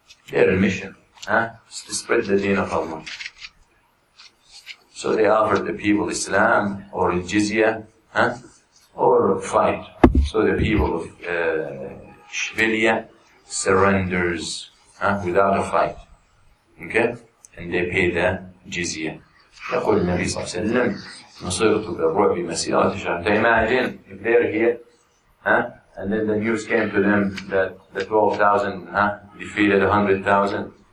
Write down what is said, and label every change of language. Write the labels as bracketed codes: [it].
[en] Their mission, is to spread the deen of Allah. So they offered the people Islam, or jizya, or fight. So the people of Shvilia surrenders without a fight. Okay? And they pay the jizya. [ar] يقول النبي صلى الله عليه وسلم نصرت بالرعب مسيرة شهر. [en] Imagine if they're here, and then the news came to them that the 12,000 defeated 100,000.